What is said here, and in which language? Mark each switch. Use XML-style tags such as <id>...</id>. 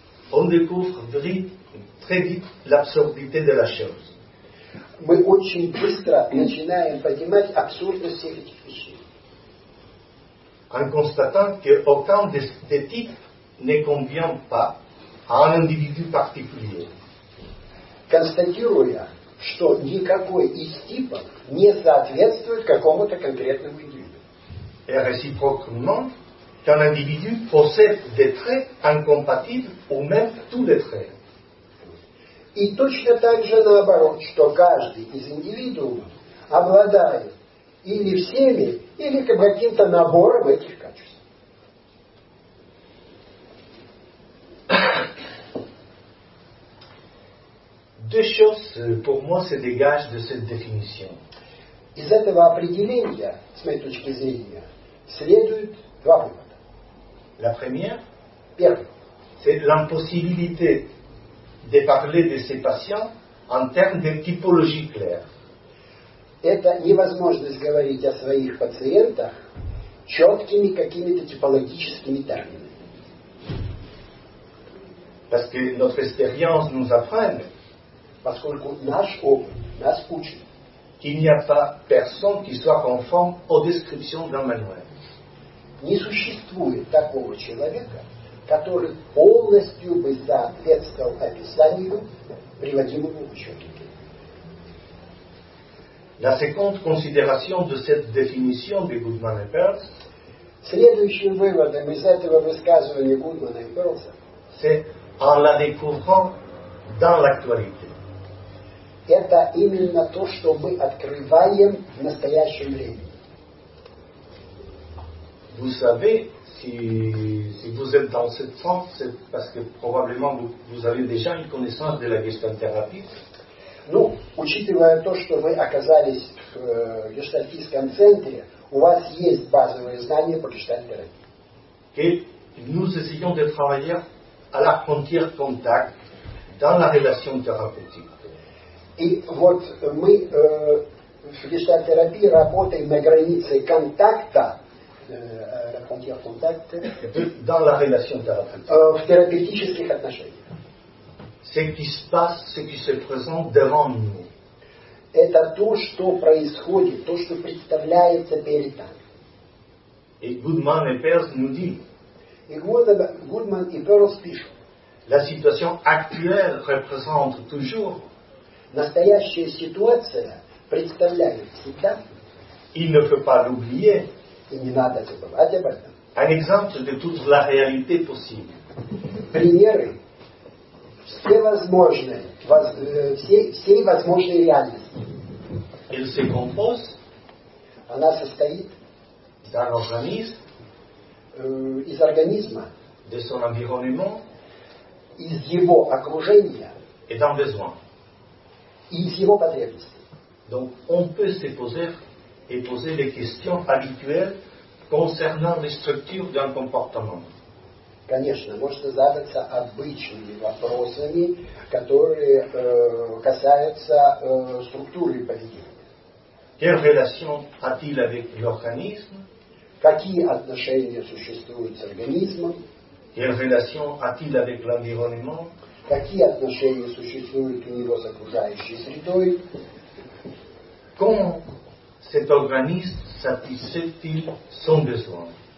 <fr>on découvre très vite l'absurdité de la chose.</fr> <ru>Мы очень быстро начинаем понимать абсурдность всех этих вещей.</ru> <fr>En constatant qu'aucun de ces types ne convient pas à un individu particulier.</fr> <ru>Констатируя, что никакой из типов не соответствует какому-то конкретному индивиду.</ru> <fr>Et réciproquement, qu'un individu possède des traits incompatibles ou même tous les traits.</fr> <ru>И точно так же наоборот, что каждый из индивидуумов обладает или всеми, или каким-то набором этих качеств.</ru> <fr>Deux choses, pour moi, se dégagent de cette définition.</fr> <ru>Из этого определения, с моей точки зрения, следует два вывода.</ru> <fr>La première,</fr> <ru>первое,</ru> <fr>c'est l'impossibilité de parler de ces patients en termes de typologie claire.</fr> <ru>Это невозможность говорить о своих пациентах четкими какими-то типологическими терминами.</ru> <fr>Parce que notre expérience nous apprend.</fr> <ru>Поскольку наш опыт нас учит,</ru> <fr>qu'il n'y a pas personne qui soit conforme aux descriptions d'un manuel.</fr> <ru>Не существует такого человека, который полностью бы соответствовал описанию, приводимому в учебнике.</ru> <fr>La seconde considération de cette définition de Goodman et Peirce,</fr> <ru>следующим выводом из этого высказывания Гудмана и Перлса,</ru> <fr>c'est en la découvrant dans l'actualité.</fr> <ru>Это именно то, что мы открываем в настоящем времени.</ru> <fr>Vous savez, si vous êtes dans cette sens, c'est parce que probablement vous avez déjà une connaissance de la gestalt-thérapie.</fr> <ru>Ну, учитывая то, что вы оказались в гештальтистском центре, у вас есть базовые знания по гештальт-терапии.</ru> <fr>Et nous essayons de travailler à la frontière contact dans la relation thérapeutique.</fr> <ru>И вот мы в гештальт-терапии работаем на границе контакта.</ru> <fr>Dans la relation thérapeutique.</fr> <ru>В терапевтических отношениях.</ru> <fr>Ce qui se passe, ce qui se présente devant nous.</fr> <ru>Это то, что происходит, то, что представляется перед нами.</ru> <fr>Et Goodman et Peirce nous disent.</fr> <ru>Et Goodman et Peirce пишут.</ru> <fr>La situation actuelle représente toujours.</fr> <ru>Настоящая ситуация представляет всегда.</ru> <fr>Il ne faut pas l'oublier.</fr> <ru>И не надо забывать об этом.</ru> <fr>Un exemple de toute la réalité possible.</fr> <ru>Примеры всей возможной реальности.</ru> <fr>Elle se compose.</fr> <ru>Она состоит.</ru> <fr>D'un organisme.</fr> <ru>Из организма.</ru> <fr>De son environnement.</fr> <ru>Из его окружения.</ru> <fr>Et d'un besoin.</fr> <ru>Из его потребностей.</ru> <fr>Donc on peut se poser et poser les questions habituelles concernant les structures d'un comportement.</fr> <ru>Конечно, можно задаться обычными вопросами, которые касаются структуры поведения.</ru> <fr>Quelle relation a-t-il avec l'organisme?</fr> <ru>Какие отношения существуют с организмом?</ru> <fr>Quelle relation a-t-il avec l'environnement?</fr> <ru>Какие отношения существуют у него с окружающей средой?</ru> <fr>Comment cet organisme satisfait-il son besoin?</fr>